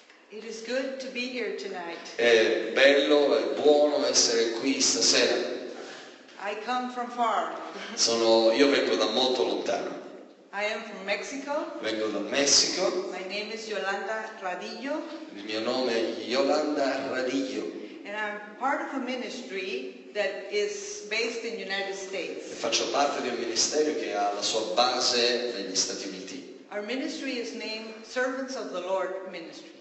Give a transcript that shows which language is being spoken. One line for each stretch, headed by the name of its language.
English: It is good to be here tonight.
Italian: È bello, è buono essere qui stasera.
English: I come from far.
Italian: Io vengo da molto lontano.
English: I am from Mexico.
Italian: Vengo da Messico.
English: My name is Yolanda Radillo.
Italian: Il mio nome è Yolanda Radillo.
English: And I'm part of a ministry that is based in United States.
Italian: E faccio parte di un ministero che ha la sua base negli Stati Uniti.
English: Our ministry is named Servants of the Lord Ministry.